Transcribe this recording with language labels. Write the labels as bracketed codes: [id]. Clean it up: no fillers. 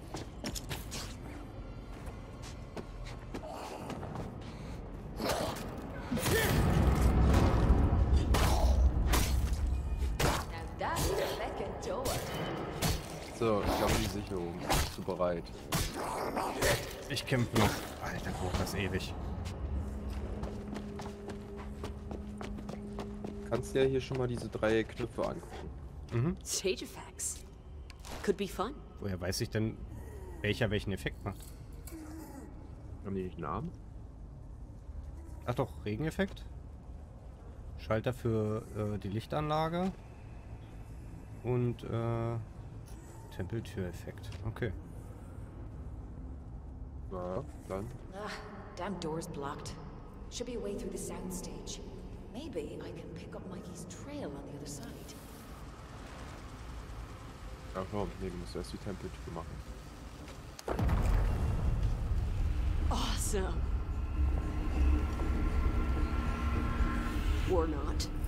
[en] Now that's the second door. [de] So, ich habe die Sicherung. Bist du bereit? Ich kämpfe noch. Alter, braucht das ewig. Kannst du ja hier schon mal diese drei Knöpfe angucken. [en] Mhm. Stage effects. Could be fun. [de] Woher weiß ich denn, welcher welchen Effekt macht? Haben die nicht Namen? Ach doch, Regeneffekt. Schalter für die Lichtanlage. Und Tempeltüreffekt. Okay. Na, dann. [en] Ugh, damn door is blocked. Should be a way through the soundstage. Maybe I can pick up Mikey's trail on the other side. [de] Ach komm, nee, du musst erst die Tempeltür machen. [en] Awesome. Or not.